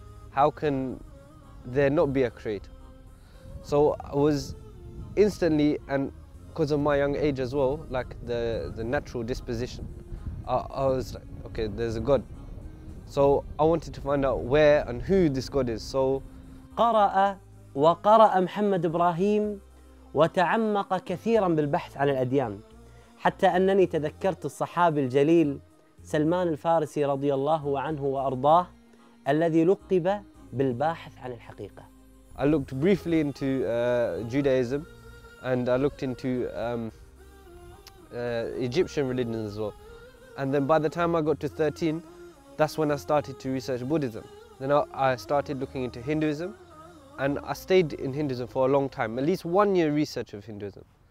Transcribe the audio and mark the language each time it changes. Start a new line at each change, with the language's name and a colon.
English: How can there not be a creator? So I was instantly, and because of my young age as well, like the natural disposition, I was like, okay, there's a God. So I wanted to find out where and who this God is. So
Arabic: قرأ وقرأ محمد إبراهيم وتعمق كثيرا بالبحث عن الأديان حتى أنني تذكرت الصحابي الجليل سلمان الفارسي رضي الله عنه وأرضاه الذي لقب بالباحث عن الحقيقة.
English: I looked briefly into Judaism. And I looked into Egyptian religions as well. And then by the time I got to 13, that's when I started to research Buddhism. Then I started looking into Hinduism, and I stayed in Hinduism for a long time, at least 1 year research of Hinduism.